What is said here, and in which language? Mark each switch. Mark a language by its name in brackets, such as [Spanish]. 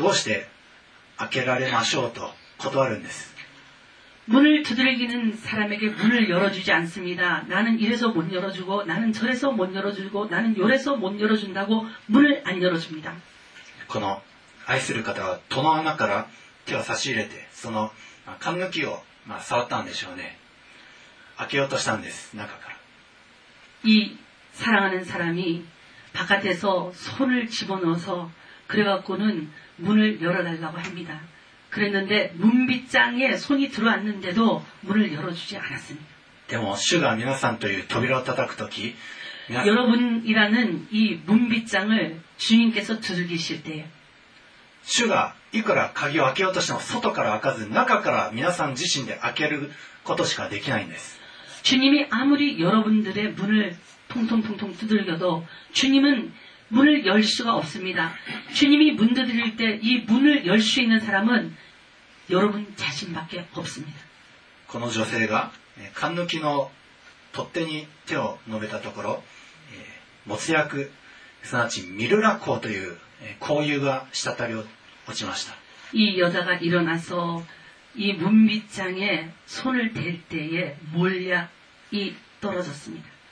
[Japanese] しかし彼女は自分は今これこれをしてしまっただからどうして開けられましょうと断るんです。 [Korean] 문을 두드리는 사람에게 문을 열어주지 않습니다. 나는 이래서 못 열어주고 나는 저래서 못 열어주고 나는 요래서 못 열어준다고 문을 안 열어줍니다. [Japanese] この愛する方は戸の穴から 手を差し入れてその髪の毛を触ったんでしょうね。開けようとしたんです、中から。 [Korean] 이 사랑하는 사람이 바깥에서 손을 집어넣어서 그래갖고는 문을 열어달라고 합니다. 그랬는데 문빗장에 손이 들어왔는데도 문을 열어주지 않았습니다. [Japanese] でも主が皆さんという扉を叩く時 [Korean] 여러분이라는 이 문빗장을 주님께서 두들기실 때 [Japanese] 主が 이から鍵を開けようとしても外から開かず中から皆さん自身で開けることしかできないんです。 [Korean] 주님이 아무리 여러분들의 문을 통통통통 두들겨도 주님은 문을 열 수가 없습니다. 주님이 문 두드릴 때 이 문을 열 수 있는 사람은 여러분 자신밖에 없습니다. [Japanese] この女性が神の取っ手に手を伸べたところ、没薬、すなわちミルラ香という香油が滴り落ちました。 [Korean] 이 여자가 일어나서 이 문빗장에 손을 댈 때에 몰약이 떨어졌습니다.